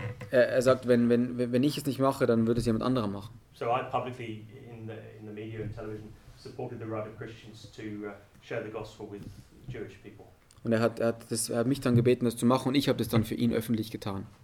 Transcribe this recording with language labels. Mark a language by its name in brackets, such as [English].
[German] Er sagt, wenn ich es nicht mache, dann würde es jemand anderer machen. [English] So I publicly in the media and television supported the right of Christians to share the gospel with Jewish people. [German] Und er hat mich dann gebeten, das zu machen, und ich habe das dann für ihn öffentlich getan.